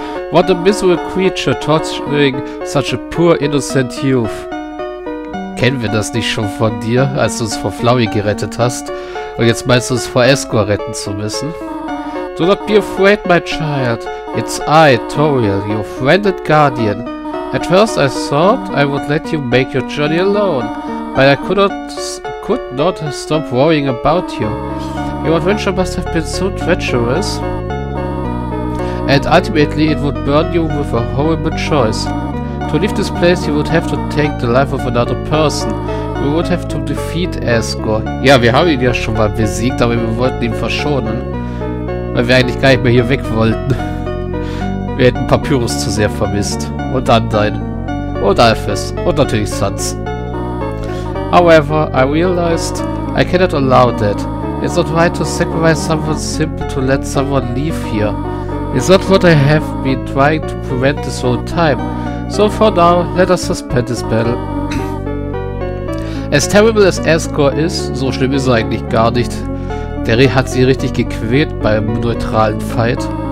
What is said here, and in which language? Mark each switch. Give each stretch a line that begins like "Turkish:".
English: What a miserable creature torturing such a poor innocent youth.
German: Kennen wir das nicht schon von dir, als du uns vor Flowey gerettet hast? Und jetzt meinst du es vor Escor retten zu müssen?
English: Do not be afraid, my child. It's I, Toriel, your friend and guardian. At first I thought I would let you make your journey alone, but I could not stop worrying about you. Your adventure must have been so treacherous. And ultimately it would burn you with a horrible choice. To leave this place you would have to take the life of another person. We would have to defeat Escor.
German: Ja, wir haben ihn ja schon mal besiegt, aber wir wollten ihn verschonen. Weil wir eigentlich gar nicht mehr hier weg wollten. Wir hätten Papyrus zu sehr vermisst. Und Undyne. Und Alphys. Und natürlich Sans.
English: However, I realized I cannot allow that. It's not right to sacrifice someone simply to let someone leave here. It's not what I have been trying to prevent this whole time. So for now, let us suspend this battle. As terrible as Escor is,
German: so schlimm ist er eigentlich gar nicht. Der Re hat sie richtig gequält beim neutralen Fight.